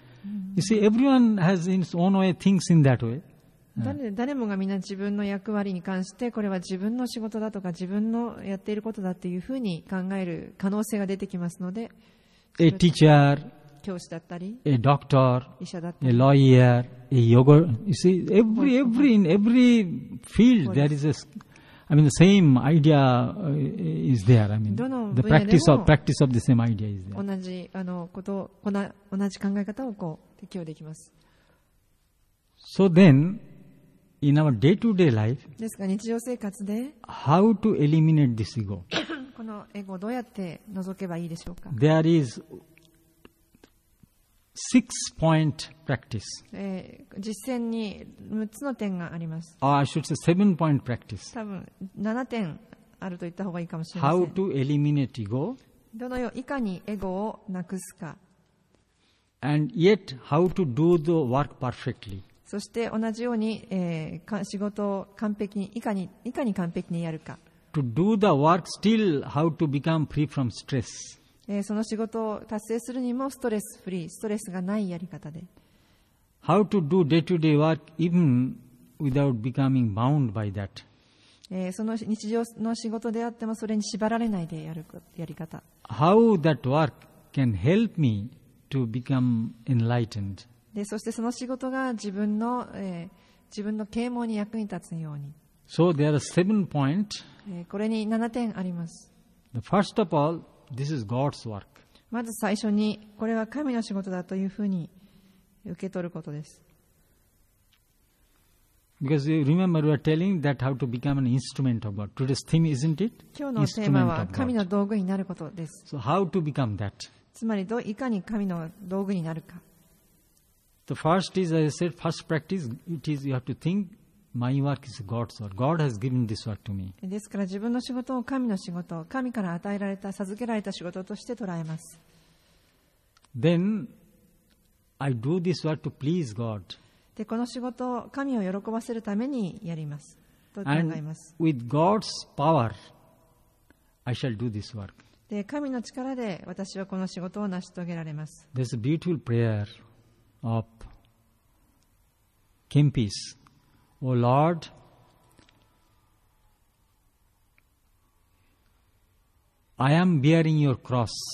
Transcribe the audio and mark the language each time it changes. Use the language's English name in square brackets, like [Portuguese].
[English] You see, everyone has in his own way thinks in that way. [Japanese] 誰もがみんな自分の役割に関してこれは自分の仕事だとか自分のやっていることだというふうに考える可能性が出てきますので、 [English] A teacher, [Japanese] 教師だったり、 [English] A doctor, [Japanese] 医者だったり、 [English] A lawyer, a yoga, you see, in every field there is the same idea is there. The practice of the same idea is there. [Japanese] 同じあのこと、同じ考え方をこう適用できます。 [English] So thenIn our day-to-day life, [Japanese] ですが日常生活で [English] how to eliminate this ego? [Japanese] このエゴをどうやって除けばいいでしょうか。 [English] There is six-point practice. [Japanese] 実践に6つの点があります。 [English] Or I should say seven-point practice. [Japanese] 多分7点あると言った方がいいかもしれません。 [English] How to eliminate ego? [Japanese] どのよういかにエゴをなくすか。 [English] And yet, how to do the work perfectly? [Japanese] そして同じように、仕事を完璧にいかに完璧にやるか。 [English] To do the work still, how to become free from stress. [Japanese] その仕事を達成するにもストレスフリー、ストレスがないやり方で。 [English] How to do day-to-day work even without becoming bound by that. [Japanese] その日常の仕事であってもそれに縛られないでやるやり方。 [English] How that work can help me to become enlightened. [Japanese] でそしてその仕事が自分の啓蒙に役に立つように。 [English] So there are seven points. [Japanese] これに7点あります。 [English] The first of all, this is God's work. [Japanese] まず最初にこれは神の仕事だというふうに受け取ることです。 [English] Because you remember we are telling that how to become an instrument of God. Today's theme, isn't it? [Japanese] 今日のテーマは神の道具になることです。 [English] So how to become that? [Japanese] つまりどいかに神の道具になるか。 [English] The first is, as I said, first practice. It is you have to think. My work is God's work. God has given this work to me. [Japanese] ですから自分の仕事を神の仕事、神から与えられた、授けられた仕事として捉えます。 [English] Then, I do this work to please God. [Japanese] で、この仕事を神を喜ばせるためにやります。と考えます。 [English] And with God's power, I shall do this work. [Japanese] で、神の力で私はこの仕事を成し遂げられます。 [English] There's a beautiful prayer of Kempis. O Lord, I am bearing your cross.